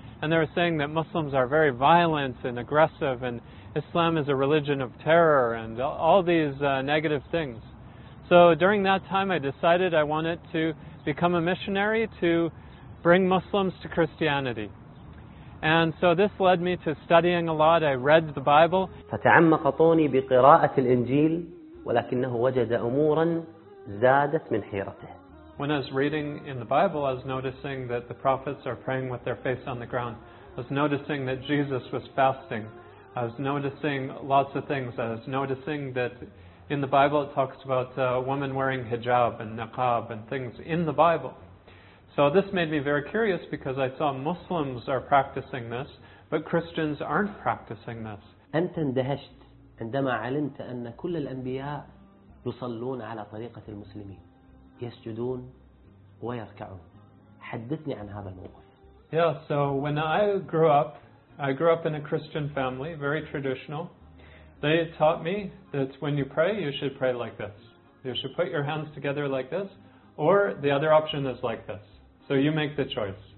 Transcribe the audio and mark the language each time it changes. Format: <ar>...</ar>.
<en>And they were saying that Muslims are very violent and aggressive, and Islam is a religion of terror, and all these negative things. So during that time, I decided I wanted to become a missionary to bring Muslims to Christianity. And so this led me to studying a lot. I read the Bible.</en> <ar>فتعمق طوني بقراءة الإنجيل، ولكنه وجد أمورا زادت من حيرته.</ar> <en>When I was reading in the Bible, I was noticing that the prophets are praying with their face on the ground. I was noticing that Jesus was fasting. I was noticing lots of things. I was noticing that in the Bible it talks about a woman wearing hijab and niqab and things in the Bible. So this made me very curious, because I saw Muslims are practicing this, but Christians aren't practicing this.</en> <ar>أنت اندهشت عندما علمت أن كل الأنبياء يصلون على طريقة المسلمين، يسجدون ويركعون. حدثني عن هذا الموقف.</ar> <en>Yeah, so when I grew up in a Christian family, very traditional. They taught me that when you pray, you should pray like this. You should put your hands together like this, or the other option is like this. So you make the choice.</en>